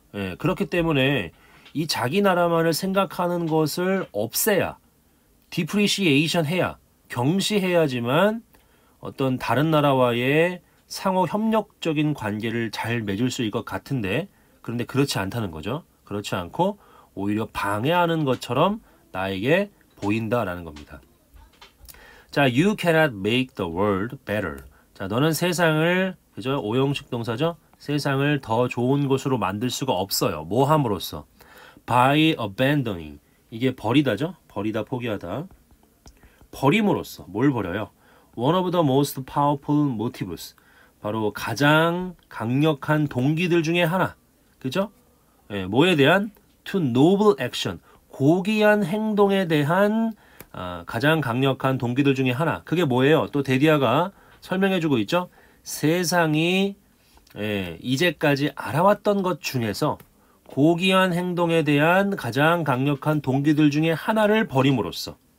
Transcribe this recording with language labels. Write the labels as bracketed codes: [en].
[ko] 예, 그렇기 때문에 이 자기 나라만을 생각하는 것을 없애야, depreciation 해야, 경시해야지만 어떤 다른 나라와의 상호 협력적인 관계를 잘 맺을 수 있을 것 같은데, 그런데 그렇지 않다는 거죠. 그렇지 않고 오히려 방해하는 것처럼 나에게 보인다라는 겁니다. [en] 자, you cannot make the world better. [ko] 자, 너는 세상을, 그죠? 오형식 동사죠? 세상을 더 좋은 곳으로 만들 수가 없어요. 뭐 함으로써? [en] by abandoning. [ko] 이게 버리다죠? 버리다, 포기하다. 버림으로써. 뭘 버려요? [en] one of the most powerful motives. [ko] 바로 가장 강력한 동기들 중에 하나. 그죠? 예, 뭐에 대한? [en] to noble action. [ko] 고귀한 행동에 대한 가장 강력한 동기들 중에 하나. 그게 뭐예요? 또 데디아가 설명해 주고 있죠. 세상이 이제까지 알아왔던 것 중에서 고귀한 행동에 대한 가장 강력한 동기들 중에 하나를 버림으로써.